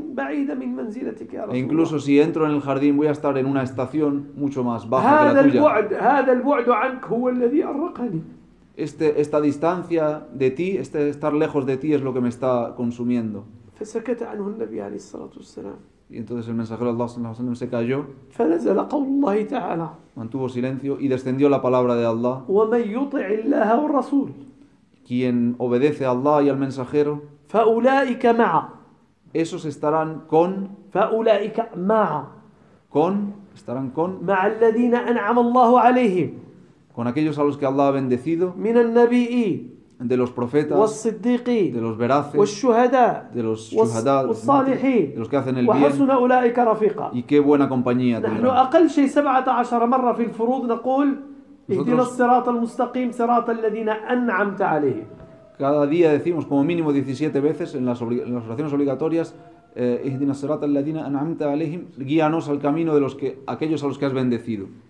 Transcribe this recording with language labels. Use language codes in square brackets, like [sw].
[es] E incluso si entro en el jardín, voy a estar en una estación mucho más baja que la tuya. Esta distancia de ti, este estar lejos de ti es lo que me está consumiendo. [ar] فسكت عنه النبي عليه الصلاة والسلام. [es] Y entonces el mensajero de Allah [ar] صلى الله عليه وسلم [es] se calló. [ar] فنزل قول الله تعالى. [es] Mantuvo silencio y descendió la palabra de Allah. [ar] ومن يطع الله والرسول. [es] Quien obedece a Allah y al mensajero. [ar] فأولئك مع. [es] Esos estarán con. [ar] فأولئك مع. [es] Con. Estarán con. [ar] مع الذين أنعم الله عليهم. [es] Con aquellos a los que Allah ha bendecido. [ar] من النبيين. [es] De los profetas, [ar] والصديقي, [es] de los veraces, [ar] والشهداء, [es] de los شهداء, [ar] والصالحين, [es] de los que hacen el bien, [ar] وحسن أولئك رفيقا. [es] Y qué buena compañía tendrá. [ar] نحن أقل شيء 17 مرة في الفروض نقول اهدنا الصراط المستقيم صراط الذين أنعمت عليهم. [es] Cada día decimos como mínimo 17 veces en las oraciones obligatorias [ar] اهدنا الصراط الذين أنعمت عليهم, [es] guíanos al camino de aquellos a los que has bendecido.